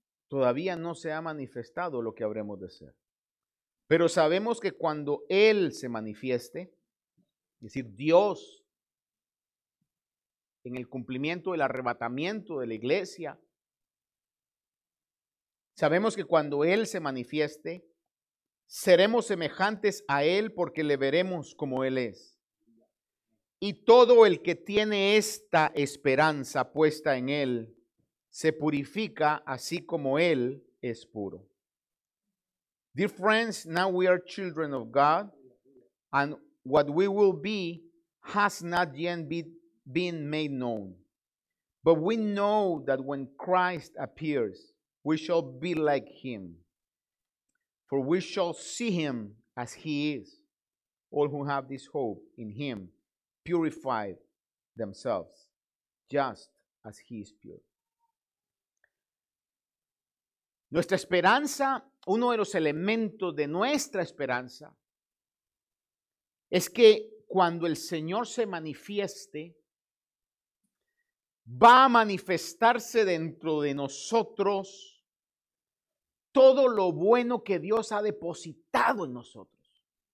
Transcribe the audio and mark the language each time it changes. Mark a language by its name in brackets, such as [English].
[Spanish] Todavía no se ha manifestado lo que habremos de ser. Pero sabemos que cuando Él se manifieste, es decir, Dios, en el cumplimiento del arrebatamiento de la iglesia, sabemos que cuando Él se manifieste, seremos semejantes a Él porque le veremos como Él es. Y todo el que tiene esta esperanza puesta en Él se purifica así como Él es puro. [English] Dear friends, now we are children of God, and what we will be has not yet been made known. But we know that when Christ appears, we shall be like Him. For we shall see Him as He is. All who have this hope in Him purify themselves just as He is pure. [Spanish] Nuestra esperanza, uno de los elementos de nuestra esperanza, es que cuando el Señor se manifieste, va a manifestarse dentro de nosotros todo lo bueno que Dios ha depositado en nosotros.